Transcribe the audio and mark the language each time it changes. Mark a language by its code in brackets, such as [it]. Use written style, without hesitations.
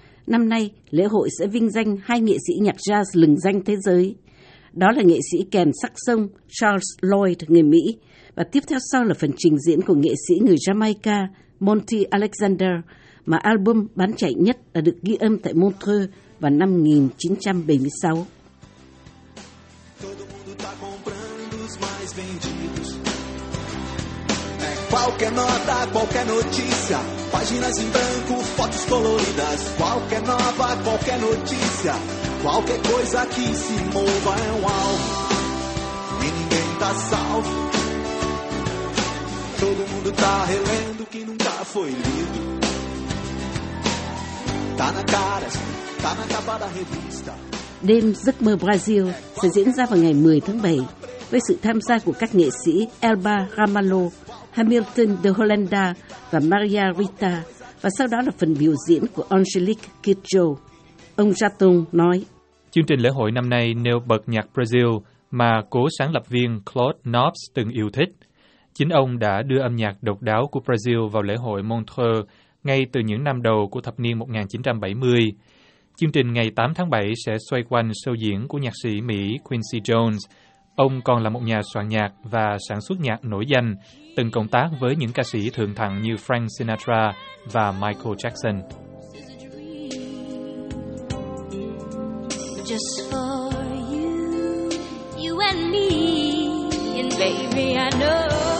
[vi] Năm nay, lễ hội sẽ vinh danh hai nghệ sĩ nhạc jazz lừng danh thế giới. Đó là nghệ sĩ kèn saxophone Charles Lloyd, người Mỹ, và tiếp theo sau là phần trình diễn của nghệ sĩ người Jamaica Monty Alexander, mà album bán chạy nhất đã được ghi âm tại Montreux vào năm 1976. [pt] Todo mundo tá comprando os mais vendidos. Qualquer nota, qualquer notícia, páginas em branco, fotos coloridas. Qualquer nova, qualquer notícia, qualquer coisa que se mova é um alvo. E ninguém tá salvo. Todo mundo tá relendo o que nunca foi lido. Tá na cara, tá na capa da revista. [vi] Đêm Giấc Mơ Brasil sẽ diễn ra vào ngày 10 tháng 7 với sự tham gia của các nghệ sĩ Elba Ramalho, Hamilton de Holanda và Maria Rita, và sau đó là phần biểu diễn của Angelique Kidjo. Ông Jatun nói, chương trình lễ hội năm nay nêu bật nhạc Brazil mà cố sáng lập viên Claude Knobs từng yêu thích. Chính ông đã đưa âm nhạc độc đáo của Brazil vào lễ hội Montreux ngay từ những năm đầu của thập niên 1970. Chương trình ngày 8 tháng 7 sẽ xoay quanh show diễn của nhạc sĩ Mỹ Quincy Jones. Ông còn là một nhà soạn nhạc và sản xuất nhạc nổi danh, từng cộng tác với những ca sĩ thượng thặng như Frank Sinatra và Michael Jackson. [en] Just for you, you and me, and baby I know.